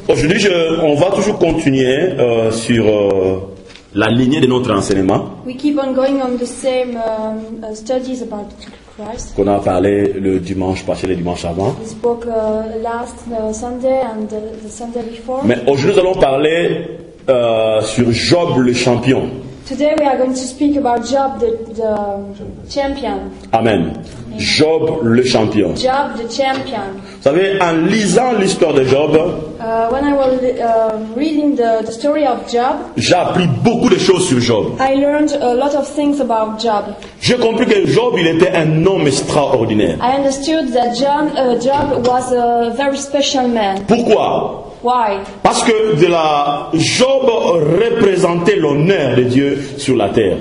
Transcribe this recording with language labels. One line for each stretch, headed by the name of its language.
French: Aujourd'hui, on va toujours continuer sur la lignée de notre enseignement.
English: We keep on going on the same studies about Christ.
French: Qu'on a parlé le dimanche passé, le dimanche avant.
English: We spoke last Sunday and the Sunday before.
French: Mais aujourd'hui, nous allons parler sur Job le champion.
English: Today we are going to speak about Job the champion.
French: Amen. Job le champion.
English: Job the champion.
French: Vous savez, en lisant l'histoire de Job,
English: when I was reading the story of Job,
French: j'ai appris beaucoup de choses sur Job.
English: I learned a lot of things about Job.
French: J'ai compris que Job, il était un homme extraordinaire.
English: I understood that Job was a very special man.
French: Pourquoi?
English: Why?
French: Parce que de la Job représentait l'honneur de Dieu sur la terre.